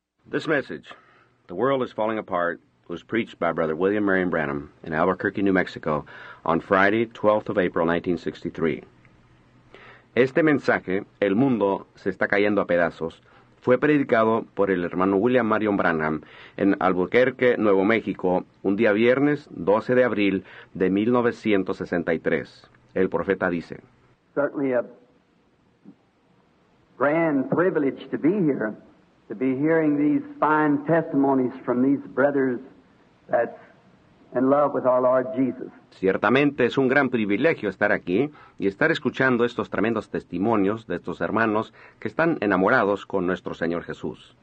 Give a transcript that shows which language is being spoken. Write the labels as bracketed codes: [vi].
[en] This message, "The World is Falling Apart," was preached by Brother William Marion Branham in Albuquerque, New Mexico, on Friday, 12th of April, 1963. [es] Este mensaje, "El Mundo se está cayendo a pedazos," fue predicado por el hermano William Marion Branham en Albuquerque, Nuevo México, un día viernes 12 de abril de 1963. El profeta dice, [en] "Certainly a grand privilege to be here, to be hearing these fine testimonies from these brothers that's in love with our Lord Jesus." [es] Ciertamente es un gran privilegio estar aquí y estar escuchando estos tremendos testimonios de estos hermanos que están enamorados con nuestro Señor Jesús.